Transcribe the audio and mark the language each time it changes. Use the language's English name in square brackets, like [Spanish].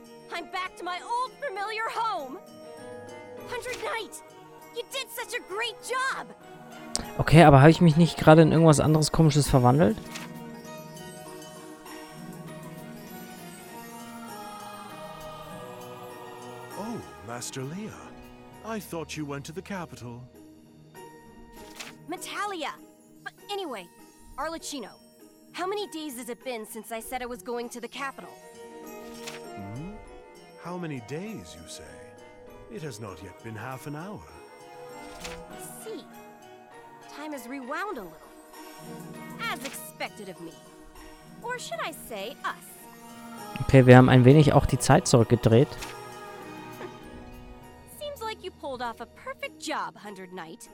[English] I'm back to my old familiar home! Hundred Knight! You did such a great job! [German] Okay, aber habe ich mich nicht gerade in irgendwas anderes komisches verwandelt? [English] Oh, Master Leah. I thought you went to the capital. Metalia! But anyway, Arlecchino, how many days has it been since I said I was going to the capital? Hmm? How many days, you say? It has not yet been half an hour. I see. Time has rewound a little. As expected of me. Or should I say, us? [German] Okay, wir haben ein wenig auch die Zeit zurückgedreht. [English] Off a perfect job, Hundred Knight.